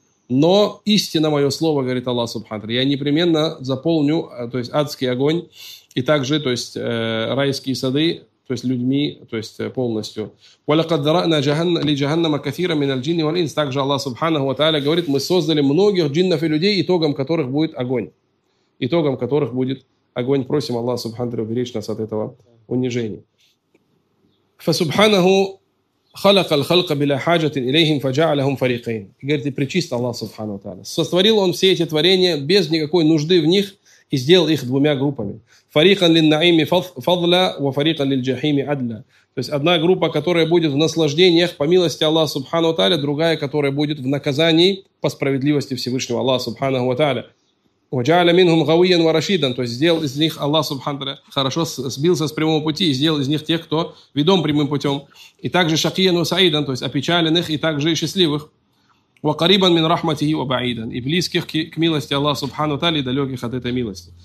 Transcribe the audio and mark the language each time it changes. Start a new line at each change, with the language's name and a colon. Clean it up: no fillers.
Russian: Но истина мое слово, говорит Аллах субханаху тааля, я непременно заполню, то есть адский огонь и также, то есть райские сады, то есть людьми, то есть полностью. Также Аллах субханаху тааля говорит, мы создали многих джиннов и людей, итогом которых будет огонь. Итогом которых будет огонь. Просим Аллах субханаху тааля уберечь нас от этого унижения.
Arabic: فسبحانه خلق الخلق بلا حاجة إليهم فجعلهم فريقين.
Russian: Говорит, причист Аллах Субхану Тааля. Сотворил он все эти творения без никакой нужды в них и сделал их двумя группами.
Arabic: Фариқан للنعيم فضلا وفариқан للجحيم عدلا.
Russian: То есть одна группа, которая будет в наслаждениях по милости Аллаха Субхану Тааля, другая, которая будет в наказании по справедливости Всевышнего Аллаха Субхану Тааля.
Arabic: وجعل منهم غويا ورشيدا,
Russian: то есть сделал из них Аллах субханаху тааля хорошо сбился с прямого пути и сделал из них тех, кто ведом прямым путем, и также
Arabic: шакиян وسعيدًا,
Russian: то есть опечаленных и также счастливых,
Arabic: وقريبًا من رحمته وبعيدًا,
Russian: и близких к милости Аллаха субханаху тааля, далеких от этой милости.